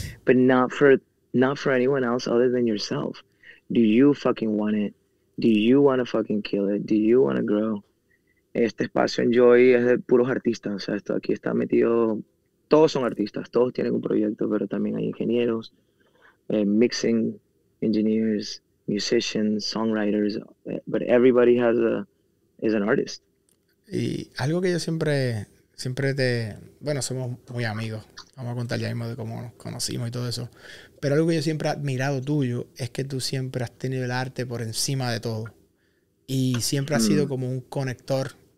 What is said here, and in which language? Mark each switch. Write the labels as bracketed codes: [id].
[en] But not for anyone else other than yourself. Do you fucking want it? Do you want to fucking kill it? Do you want to grow? [es] Este espacio Enjoy es de puros artistas. O sea, esto aquí está metido. Todos son artistas. Todos tienen un proyecto, pero también hay ingenieros. [en] Mixing engineers, musicians, songwriters, but everybody has a is an artist. [es] Y algo que yo siempre te, bueno, somos muy amigos, vamos a contar ya mismo de cómo nos conocimos y todo eso, pero algo que yo siempre he admirado tuyo es que tú siempre has tenido el arte por encima de todo y siempre has sido como un conector.